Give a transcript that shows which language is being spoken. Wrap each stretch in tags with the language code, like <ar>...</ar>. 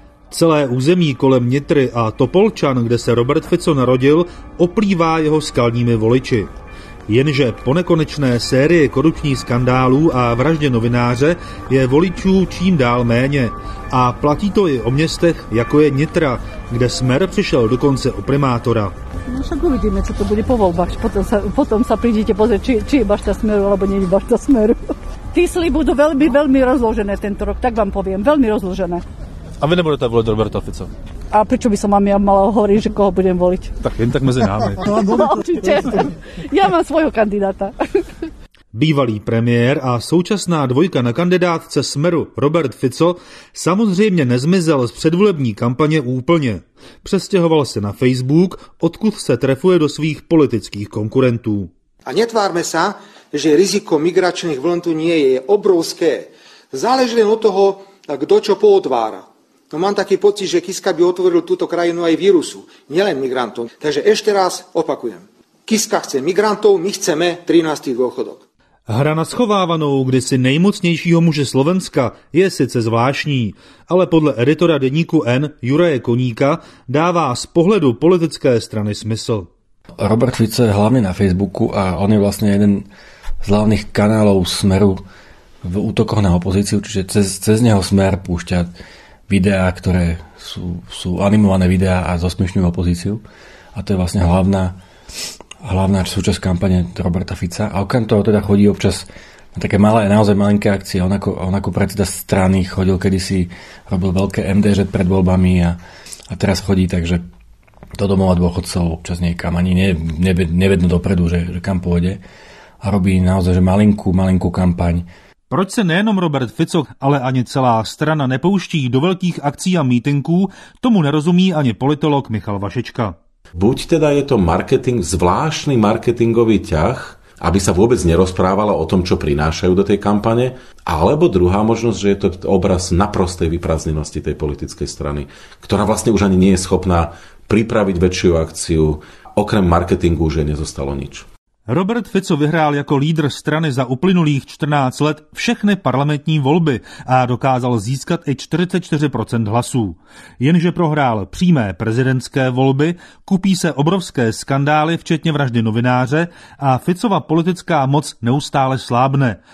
<cs>Celé území kolem Nitry a Topolčan, kde se Robert Fico narodil, oplývá jeho skalními voliči. Jenže po nekonečné sérii korupčních skandálů a vraždě novináře je voličů čím dál méně. A platí to i o městech, jako je Nitra, kde Smer přišel dokonce o primátora. No však uvidíme, co to bude po volbách.</cs> <sk>Potom sa přijdete pozrieť, či je bašta Smeru, alebo nie je bašta Smeru. Tí sly budú veľmi, veľmi rozložené tento rok, tak vám poviem, veľmi rozložené. A vy nebudete voliť Roberta Fico? A prečo by som vám ja mala hovoriť, že koho budem voliť? Tak jen tak medzi námi. Určite. Ja mám svojho kandidáta.</sk> <cs>Bývalý premiér a současná dvojka na kandidátce Smeru Robert Fico samozřejmě nezmizel z předvolební kampaně úplně. Přestěhoval se na Facebook, odkud se trefuje do svých politických konkurentů.</cs> <sk>A netvárme sa, že riziko migračných vln tu nie je obrovské. Záleží len od toho, kto čo pootvára. No mám taký pocit, že Kiska by otvoril túto krajinu aj vírusu, nielen migrantom. Takže ešte raz opakujem. Kiska chce migrantov, my chceme 13. dôchodok.</sk> <cs>Hra na schovávanou kdysi nejmocnějšího muže Slovenska je sice zvláštní, ale podle editora deníku N. Juraje Koníka dává z pohledu politické strany smysl.</cs> <sk>Robert Fico je hlavně na Facebooku a on je vlastně jeden z hlavných kanálů Smeru v útokoch na opozici, čiže cez něho Smer púšťa videa, které jsou animované videa a zosměšňují opozici. A to je vlastně hlavná súčasť kampane Roberta Fica. A okrem toho teda chodí občas na také malé, naozaj malinké akcie. On ako predseda strany chodil kedysi, robil veľké MDŽ pred voľbami a teraz chodí, takže do domova dôchodcov občas niekam. Ani nevedno dopredu, že kam pôjde. A robí naozaj že malinkú kampaň.</sk> <cs>Proč se nejenom Robert Fico, ale ani celá strana nepouští do</cs> <sk>veľkých akcí</sk> <cs>a mítinků, tomu nerozumí ani politolog Michal Vašečka.</cs> <sk>Buď teda je to marketing, zvláštny marketingový ťah, aby sa vôbec nerozprávalo o tom, čo prinášajú do tej kampane, alebo druhá možnosť, že je to obraz naprostej vyprázdnenosti tej politickej strany, ktorá vlastne už ani nie je schopná pripraviť väčšiu akciu, okrem marketingu už je nezostalo nič.</sk> <cs>Robert Fico vyhrál jako lídr strany za uplynulých 14 let všechny parlamentní volby a dokázal získat i 44% hlasů. Jenže prohrál přímé prezidentské volby, kupí se obrovské skandály, včetně vraždy novináře, a Ficova politická moc neustále slábne.</cs>